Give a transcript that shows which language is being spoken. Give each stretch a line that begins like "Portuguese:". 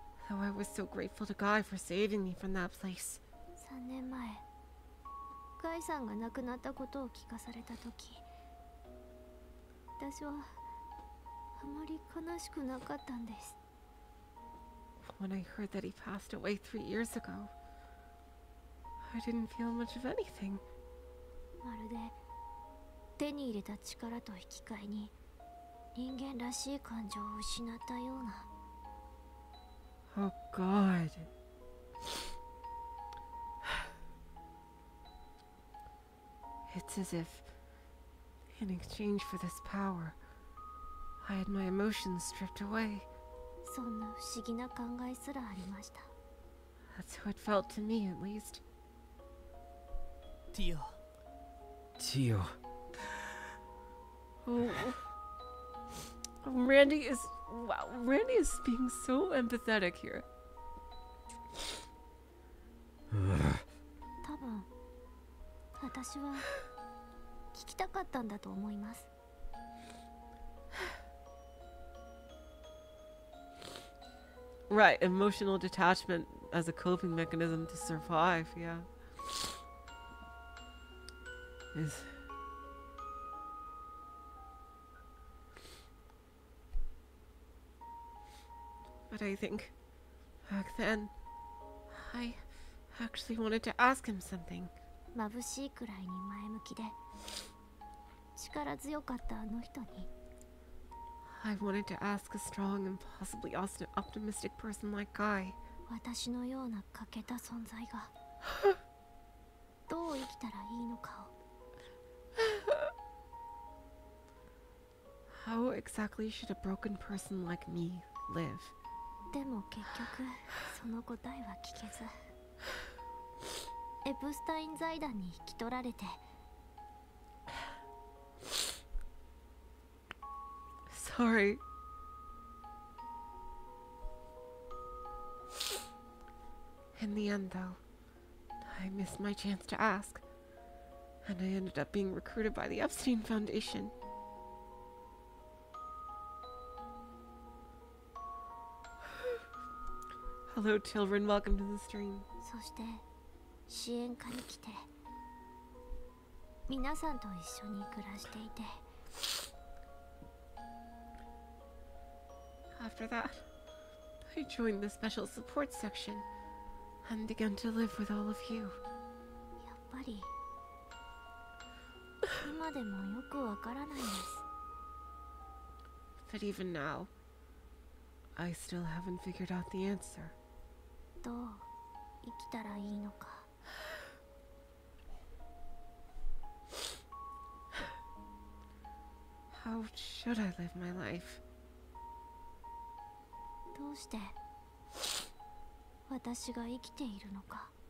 English: Oh, I was so grateful to Guy for saving me from that place.
Japanese: 3年前、ガイさんが亡くなったことを聞かされた時、私はあまり悲しくなかったんです。
English: When I heard that he passed away 3 years ago, I didn't feel much of anything.
Japanese: まるで手に入れた力と引き換えに人間らしい感情を失ったような。
English: Oh God. It's as if, in exchange for this power, I had my emotions stripped away.
Japanese: そんな不思議な考えすらありました。
English: That's how it felt to me, at least. Tio. Tio. Oh. Randy is being so empathetic here.
Japanese: 多分、私は聞きたかったんだと思います。
English: Right, emotional detachment as a coping mechanism to survive, yeah. Is... But I think, back then, I actually wanted to ask him something.
Japanese: 眩しいくらいに前向きで、力強かったあの人に。
English: I wanted to ask a strong and possibly optimistic person like Guy.
Japanese: 私のような欠けた存在が、どう生きたらいいのかを。
English: How exactly should a broken person like me live?
Japanese: でも結局その答えは聞けず、エプスタイン財団に引き取られて。
English: Sorry. In the end, though, I missed my chance to ask, and I ended up being recruited by the Epstein Foundation. Hello, children. Welcome to the stream.
Japanese: そして、支援課に来て、皆さんと一緒に暮らしていて。
English: After that, I joined the special support section and began to live with all of you.
Japanese: やっぱり、今でもよくわからないです。
English: But even now, I still haven't figured out the answer.
Japanese: どう生きたらいいのか。
English: How should I live my life?
Japanese: どうして私が生きているのか。